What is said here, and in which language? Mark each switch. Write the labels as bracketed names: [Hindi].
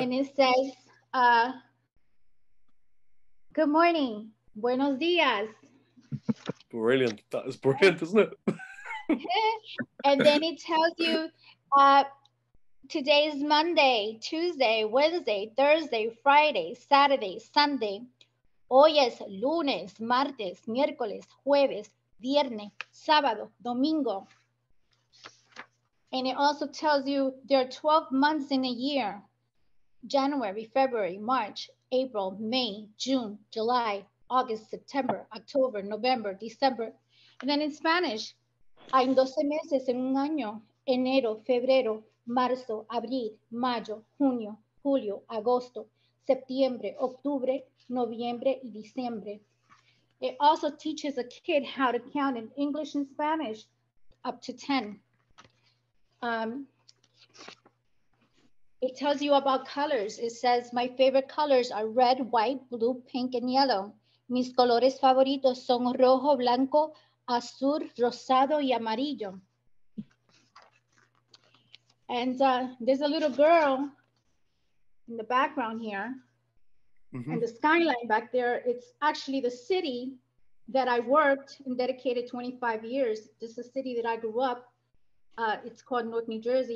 [English] And it says, good morning. [Spanish] Buenos dias. [English] Brilliant. That is brilliant, isn't it? And then it tells you, today's Monday, Tuesday, Wednesday, Thursday, Friday, Saturday, Sunday. [Spanish] Hoy es lunes, martes, miércoles, jueves, viernes, sábado, domingo. [English] And it also tells you there are 12 months in a year. January, February, March, April, May, June, July, August, September, October, November, December. And then in Spanish, [Spanish] hay 12 meses en un año. Enero, febrero, marzo, abril, mayo, junio, julio, agosto, septiembre, octubre, noviembre, y diciembre. [English] It also teaches a kid how to count in English and Spanish up to 10. It tells you about colors. It says, my favorite colors are red, white, blue, pink, and yellow. [Spanish] Mis colores favoritos son rojo, blanco, azul, rosado, y amarillo. [English] And there's a little girl in the background here. Mm-hmm. And the skyline back there, it's actually the city that I worked and dedicated 25 years. This is a city that I grew up. It's called North New Jersey.